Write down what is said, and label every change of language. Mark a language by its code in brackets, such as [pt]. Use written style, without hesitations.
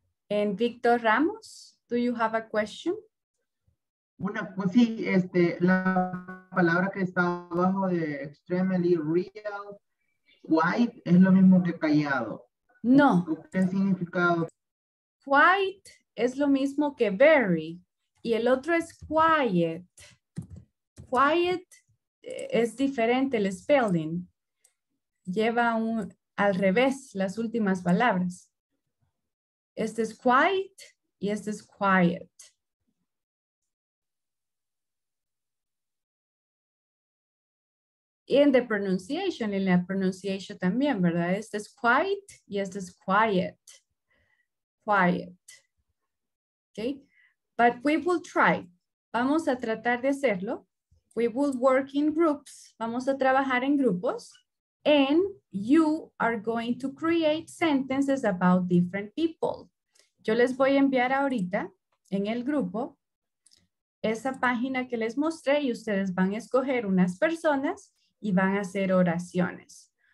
[en] And Victor Ramos, do you have a question? [es] Una, pues sí, la palabra que está abajo de extremely real, quite, es lo mismo que callado. No. ¿Qué significado? Quite es lo mismo que very. Y el otro es quiet. Quiet es diferente el spelling. Lleva al revés las últimas palabras. Este es quiet y este es quiet. Y en [en] the pronunciation, [es] en la pronunciation también, ¿verdad? Este es quiet y este es quiet. Quiet. Okay. [en] But we will try. [es] Vamos a tratar de hacerlo. [en] We will work in groups. [es] Vamos a trabajar en grupos. [en] And you are going to create sentences about different people. [es] Yo les voy a enviar ahorita en el grupo esa página que les mostré y ustedes van a escoger unas personas y van a hacer oraciones.